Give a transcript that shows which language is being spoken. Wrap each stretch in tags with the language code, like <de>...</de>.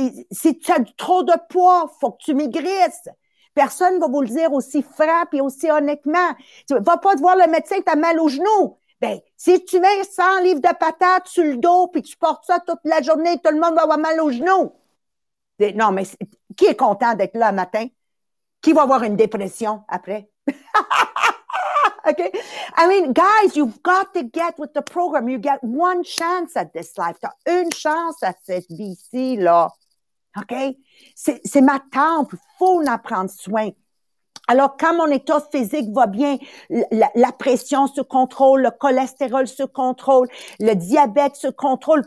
<fr>Si tu as trop de poids, faut que tu maigrisses. Personne va vous le dire aussi franc et aussi honnêtement. Tu vas pas te voir le médecin, t'as mal au genou. Ben, si tu mets 100 livres de patates sur le dos puis tu portes ça toute la journée, tout le monde va avoir mal au genou. Non, mais qui est content d'être là le matin? Qui va avoir une dépression après? Okay?</fr> <en>I mean, guys, you've got to get with the program. You get one chance at this life.</en> <fr>T'as une chance à cette vie-ci, là. Okay? C'est ma temple. Faut en prendre soin. Alors, quand mon état physique va bien, la pression se contrôle, le cholestérol se contrôle, le diabète se contrôle.</fr>